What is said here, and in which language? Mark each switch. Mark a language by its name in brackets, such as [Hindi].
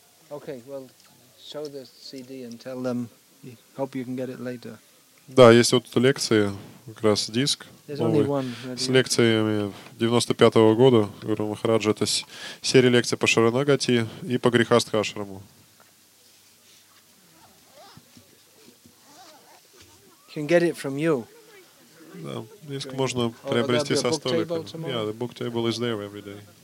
[English] Okay, well, show the CD and tell them. Hope you can get it later. [Russian] Да, есть вот лекция, как раз диск новый, с лекциями 95-го года Гуру Махараджа. Это серия лекций по Шаранагати и по Грихастхашраму. [English] Can get it from you. [Russian] Да, диск можно приобрести со столиком. [English] Yeah, the book table is there every day.